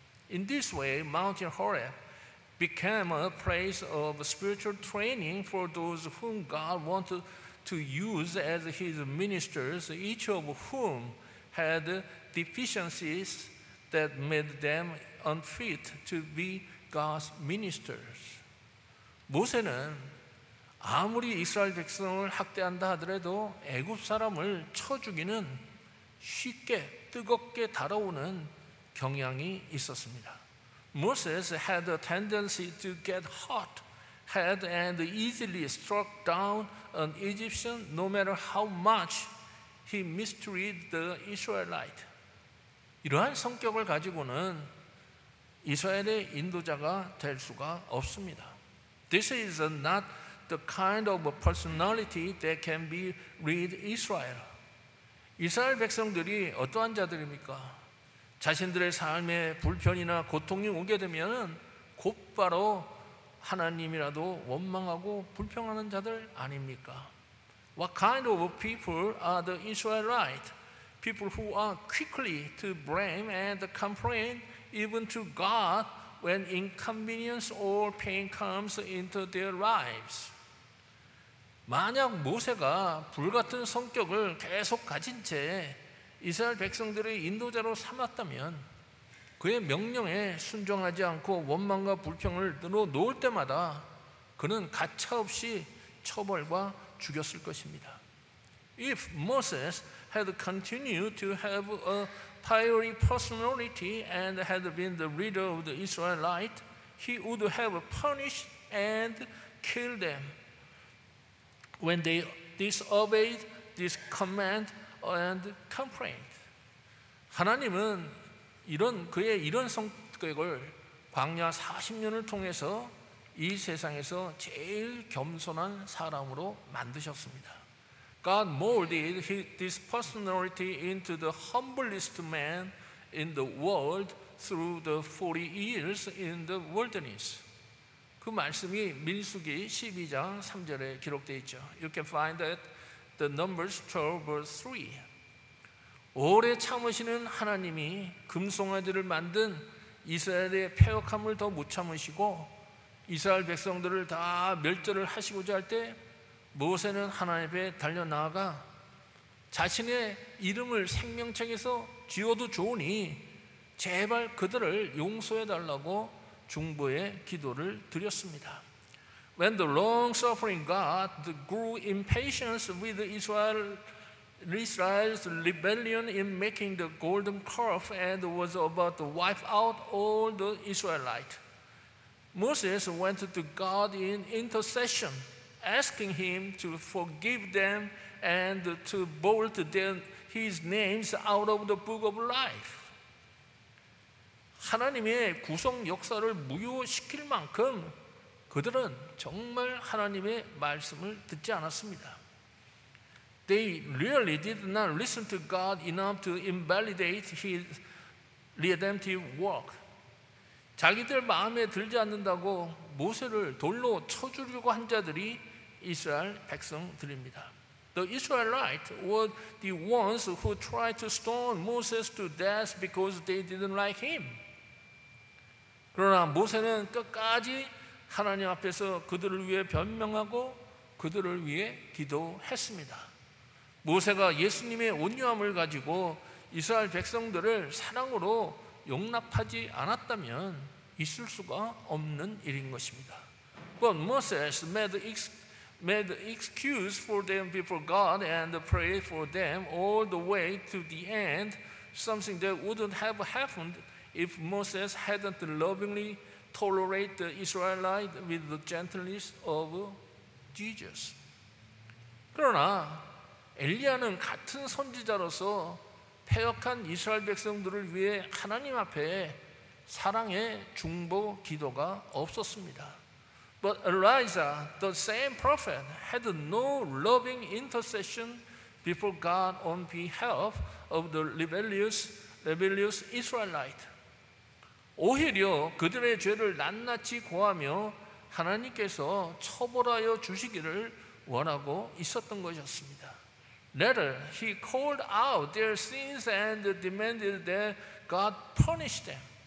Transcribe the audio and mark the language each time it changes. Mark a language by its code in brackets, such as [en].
[en] In this way, Mount Horeb became a place of spiritual training for those whom God wanted to use as his ministers, each of whom had deficiencies that made them unfit to be God's ministers. [ko] 모세는 아무리 이스라엘 백성을 학대한다 하더라도 애굽 사람을 쳐 죽이는 쉽게 뜨겁게 달아오는 경향이 있었습니다. [en] Moses had a tendency to get hot, had and easily struck down an Egyptian no matter how much he mistreated the Israelite. [ko] 이러한 성격을 가지고는 이스라엘의 인도자가 될 수가 없습니다. [en] This is not the kind of a personality that can be read Israel. [ko] 이스라엘 백성들이 어떠한 자들입니까? 자신들의 삶에 불편이나 고통이 오게 되면 곧바로 하나님이라도 원망하고 불평하는 자들 아닙니까? [en] What kind of people are the Israelites? People who are quickly to blame and complain even to God when inconvenience or pain comes into their lives. [ko] 만약 모세가 불같은 성격을 계속 가진 채 이스라엘 백성들의 인도자로 삼았다면 그의 명령에 순종하지 않고 원망과 불평을 늘어놓을 때마다 그는 가차없이 처벌과 죽였을 것입니다. [en] If Moses had continued to have a fiery personality and had been the leader of the Israelites, he would have punished and killed them when they disobeyed this command and complained. [ko] 하나님은 이런 그의 이런 성격을 광야 40년을 통해서 이 세상에서 제일 겸손한 사람으로 만드셨습니다. [en] God molded this personality into the humblest man in the world through the 40 years in the wilderness. [ko] 그 말씀이 민수기 12장 3절에 기록되어 있죠. [en] You can find that the Numbers 12 verse 3. [ko] 오래 참으시는 하나님이 금송아지를 만든 이스라엘의 패역함을 더 못 참으시고 이스라엘 백성들을 다 멸절을 하시고자 할 때 모세는 하나님 앞에 달려 나아가 자신의 이름을 생명책에서 지워도 좋으니 제발 그들을 용서해 달라고 중보의 기도를 드렸습니다. [en] When the long-suffering God grew impatient with Israel's rebellion in making the golden calf and was about to wipe out all the Israelites, Moses went to God in intercession, asking him to forgive them and to bolt his names out of the book of life. [ko] 하나님의 구속 역사를 무효시킬 만큼 그들은 정말 하나님의 말씀을 듣지 않았습니다. [en] They really did not listen to God enough to invalidate his redemptive work. [ko] 자기들 마음에 들지 않는다고 모세를 돌로 쳐주려고 한 자들이 이스라엘 백성들입니다. [en] The Israelites were the ones who tried to stone Moses to death because they didn't like him. [ko] 그러나 모세는 끝까지 하나님 앞에서 그들을 위해 변명하고 그들을 위해 기도했습니다. 모세가 예수님의 온유함을 가지고 이스라엘 백성들을 사랑으로 용납하지 않았다면 있을 수가 없는 일인 것입니다. [en] But Moses made excuse for them before God and prayed for them all the way to the end, something that wouldn't have happened if Moses hadn't lovingly tolerated the Israelites with the gentleness of Jesus. [ko] 그러나 엘리야는 같은 선지자로서 패역한 이스라엘 백성들을 위해 하나님 앞에 사랑의 중보 기도가 없었습니다. [en] But Elijah, the same prophet, had no loving intercession before God on behalf of the rebellious Israelite. [ko] 오히려 그들의 죄를 낱낱이 고하며 하나님께서 처벌하여 주시기를 원하고 있었던 것이었습니다. [en] Later, he called out their sins and demanded that God punish them.